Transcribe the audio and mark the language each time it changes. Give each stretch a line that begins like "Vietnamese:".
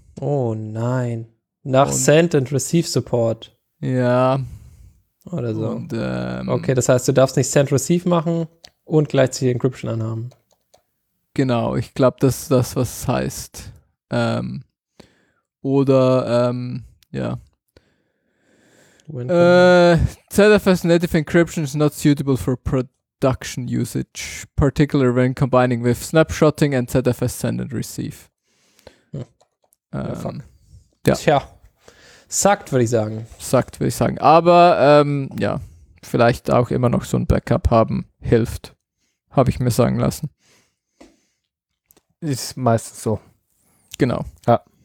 German: Oh nein. Nach und Send and Receive Support. Ja. Oder so. Und, okay, das heißt, du darfst nicht Send-Receive machen und gleichzeitig Encryption anhaben. Genau, ich glaube, das ist das, was es heißt. Oder,
English: ZFS native encryption is not suitable for production usage, particularly when combining with snapshotting and ZFS send and receive.
German: Tja, sagt, würde ich sagen. Aber ja, vielleicht auch immer noch so ein Backup haben hilft, habe ich mir sagen lassen. Ist meistens so. Genau. Ja.